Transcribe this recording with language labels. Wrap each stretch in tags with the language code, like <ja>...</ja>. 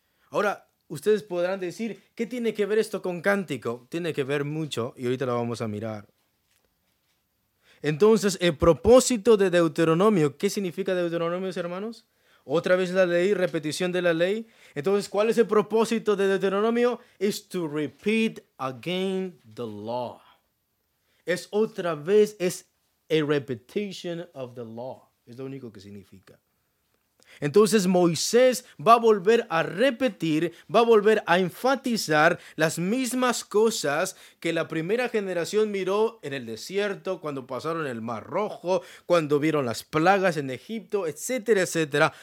<es>Ahora, ustedes podrán decir, ¿qué tiene que ver esto con cántico? Tiene que ver mucho, y ahorita lo vamos a mirar. Entonces, el propósito de Deuteronomio, ¿qué significa Deuteronomio, hermanos? Otra vez la ley, repetición de la ley. Entonces, ¿cuál es el propósito de Deuteronomio?</es> <en>Is to repeat again the law.</en> <es>Es otra vez, es</es> <en>a repetition of the law.</en> <es>Es lo único que significa. Entonces Moisés va a volver a repetir, va a volver a enfatizar las mismas cosas que la primera generación miró en el desierto, cuando pasaron el Mar Rojo, cuando vieron las plagas en Egipto, etcétera, etcétera.</es>